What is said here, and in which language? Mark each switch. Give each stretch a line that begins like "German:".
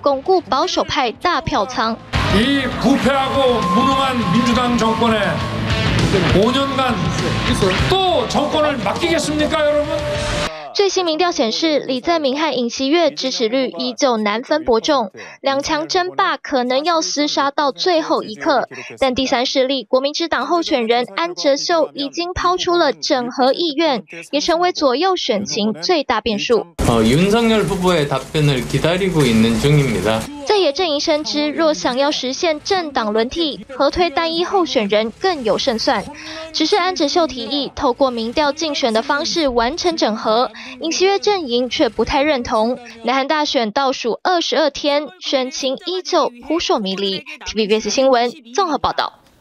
Chinese: 从首尔出发，喊出政权交替的口号，一路向南，巩固保守派大票仓。
Korean: 이 부패하고 무능한 민주당 정권에 5년간 또 정권을 맡기겠습니까, 여러분?
Chinese: 最新民调显示，李在明和尹锡悦支持率依旧难分伯仲，两强争霸可能要厮杀到最后一刻。但第三势力国民之党候选人安哲秀已经抛出了整合意愿，也成为左右选情最大变数。윤석열
Korean: 후보의 답변을 기다리고 있는 중입니다.
Chinese: 在野阵营深知，若想要实现政党轮替，合推单一候选人更有胜算。只是安哲秀提议透过民调竞选的方式完成整合，尹锡悦阵营却不太认同。南韩大选倒数22天，选情依旧扑朔迷离。TVBS 新闻综合报道。